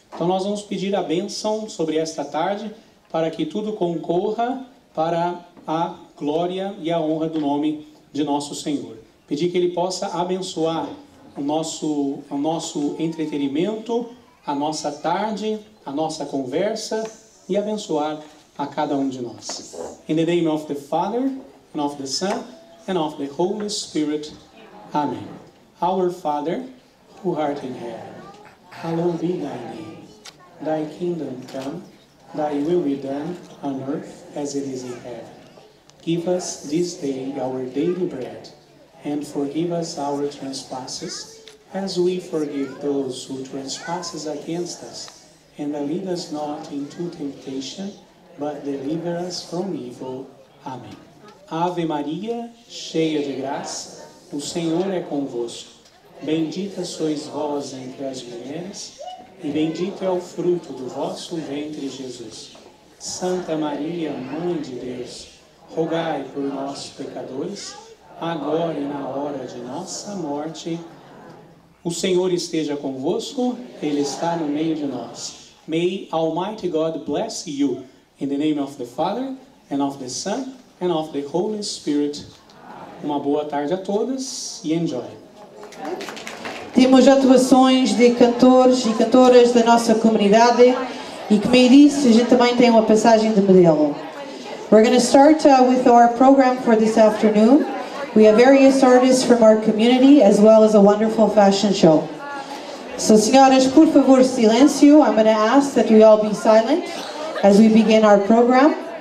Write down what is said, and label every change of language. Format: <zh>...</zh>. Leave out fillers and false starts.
<pt>Então nós vamos pedir a bênção sobre esta tarde, para que tudo concorra para a glória e a honra do nome de nosso Senhor. Pedir que Ele possa abençoar o nosso entretenimento, a nossa tarde, a nossa conversa, e abençoar a cada um de nós.</pt> <en>In the name of the Father, and of the Son, and of the Holy Spirit. Amém. Our Father, who art in heaven, hallowed be thy name. Thy kingdom come, thy will be done on earth as it is in heaven. Give us this day our daily bread, and forgive us our trespasses, as we forgive those who trespass against us. And lead us not into temptation, but deliver us from evil. Amen.</en> <pt>Ave Maria, cheia de graça, o Senhor é convosco. Bendita sois vós entre as mulheres, e bendito é o fruto do vosso ventre, Jesus. Santa Maria, Mãe de Deus, rogai por nós, pecadores, agora e na hora de nossa morte. O Senhor esteja convosco, Ele está no meio de nós.</pt> <en>May Almighty God bless you, in the name of the Father, and of the Son, and of the Holy Spirit.</en> <pt>Uma boa tarde a todas, e</pt> <en>enjoy. Thank you.</en> <pt>Temos atuações de cantores e cantoras da nossa comunidade e, como eu disse, a gente também tem uma passagem de modelo.</pt> <en>We're going to start with our program for this afternoon. We have various artists from our community as well as a wonderful fashion show. So,</en> <pt>senhoras, por favor, silêncio.</pt> <en>I'm going to ask that we all be silent as we begin our program.</en>